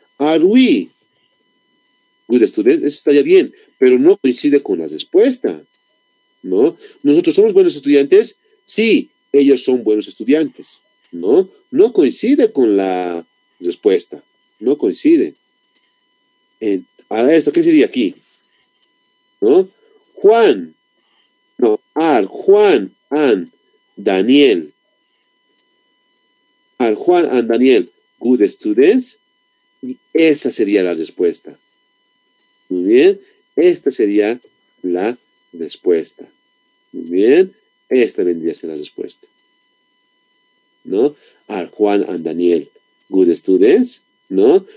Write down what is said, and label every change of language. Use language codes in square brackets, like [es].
[en] Are we good students? [es] Eso estaría bien, pero no coincide con la respuesta, ¿no? ¿Nosotros somos buenos estudiantes? Sí, ellos son buenos estudiantes, ¿no? No coincide con la respuesta, no coincide. Ahora esto, ¿qué sería aquí? ¿No? [en] Juan, no, are Juan and Daniel. Are Juan and Daniel good students? [es] Y esa sería la respuesta. Muy bien, esta sería la respuesta. Muy bien, esta vendría a ser la respuesta. ¿No? A Juan y Daniel, [en] good students, [es] ¿no?